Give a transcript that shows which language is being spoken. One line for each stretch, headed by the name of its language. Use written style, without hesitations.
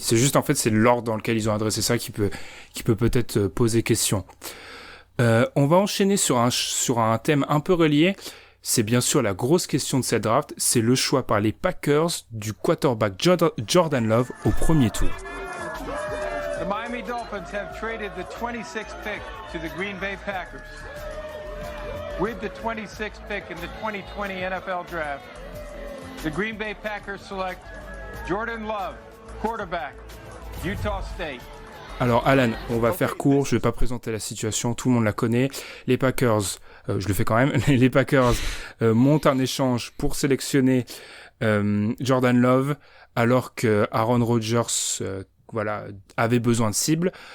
French: C'est juste, en fait, c'est l'ordre dans lequel ils ont adressé ça qui peut peut-être poser question. On va enchaîner sur un thème un peu relié. C'est bien sûr la grosse question de cette draft. C'est le choix par les Packers du quarterback Jordan Love au premier tour.
English: The Miami Dolphins have traded the 26th pick to the Green Bay Packers. With the 26th pick in the 2020 NFL Draft, the Green Bay Packers select Jordan Love, quarterback, Utah State.
French: Alors Alan, on va faire court, je ne vais pas présenter la situation, tout le monde la connaît. Les Packers, je le fais quand même, les Packers montent un échange pour sélectionner Jordan Love, alors que Aaron Rodgers avait besoin de cible.